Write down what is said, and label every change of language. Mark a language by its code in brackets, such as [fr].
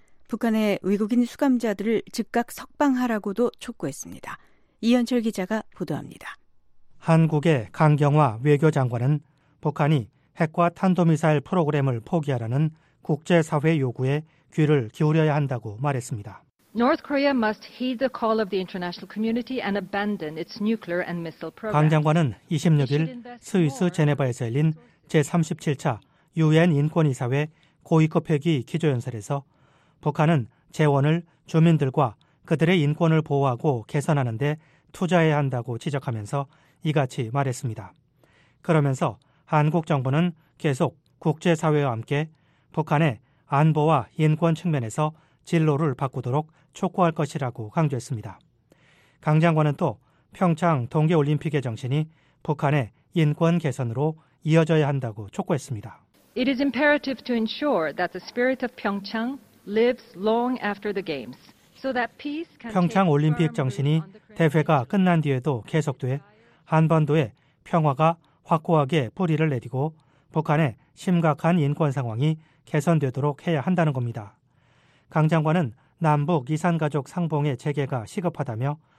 [ko] 북한의 외국인 수감자들을 즉각 석방하라고도 촉구했습니다. 이현철 기자가 보도합니다. 한국의 강경화 외교장관은 북한이 핵과 탄도미사일 프로그램을 포기하라는 국제사회 요구에 귀를 기울여야 한다고 말했습니다. [en] North Korea must heed the call of the international community and abandon its nuclear and missile program. [ko] 강 장관은 26일 스위스 제네바에서 열린 제37차 UN 인권이사회 고위급 회기 기조연설에서 북한은 재원을 주민들과 그들의 인권을 보호하고 개선하는 데 투자해야 한다고 지적하면서 이같이 말했습니다. 그러면서 한국 정부는 계속 국제사회와 함께 북한의 안보와 인권 측면에서 진로를 바꾸도록 촉구할 것이라고 강조했습니다. 강 장관은 또 평창 동계올림픽의 정신이 북한의 인권 개선으로 이어져야 한다고 촉구했습니다. [en] It is imperative to ensure that the spirit of Pyeongchang lives long after the games, so that peace can. [ko] 평창 올림픽 정신이 대회가 끝난 뒤에도 계속돼 한반도에 평화가 확고하게 뿌리를 내리고 북한의 심각한 인권 상황이 개선되도록 해야 한다는 겁니다. 강 장관은 남북 이산가족 상봉의 재개가 시급하다며